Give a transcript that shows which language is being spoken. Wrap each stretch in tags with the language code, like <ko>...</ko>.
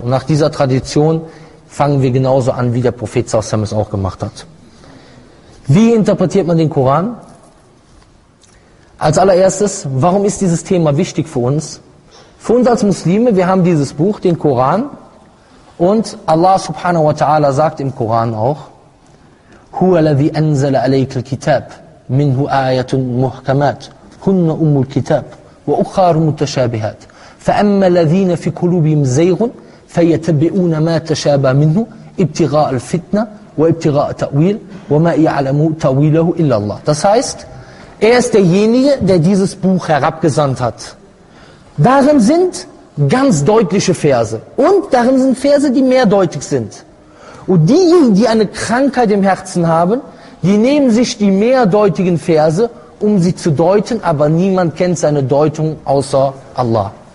<de>Und nach dieser Tradition fangen wir genauso an, wie der Prophet s.a.w. es auch gemacht hat. Wie interpretiert man den Koran? Als allererstes, warum ist dieses Thema wichtig für uns? Für uns als Muslime, wir haben dieses Buch, den Koran. Und Allah subhanahu wa ta'ala sagt im Koran auch,</de> <ar>هُوَ الَّذِي أَنزَلَ عَلَيْكَ الْكِتَابِ مِنْهُ آيَةٌ مُحْكَمَاتٌ هُنَّ أُمُّ الْكِتَابِ وَأُخَارُ مُتَشَابِهَاتٌ فَأَمَّا الَّذِينَ فِي قُلُوبِهِمْ زَيْغٌ فَيَتَّبِعُونَ مَا تَشَابَهَ مِنْهُ ابْتِغَاءَ الْفِتْنَةِ وَابْتِغَاءَ تَأْوِيلِهِ وَمَا يَعْلَمُ تَأْوِيلَهُ إِلَّا اللَّهُ.</ar> <de>Das heißt, er ist derjenige, der dieses Buch herabgesandt hat. Darin sind ganz deutliche Verse. Und darin sind Verse, die mehrdeutig sind. Und diejenigen, die eine Krankheit im Herzen haben, die nehmen sich die mehrdeutigen Verse, um sie zu deuten, aber niemand kennt seine Deutung außer Allah.</de>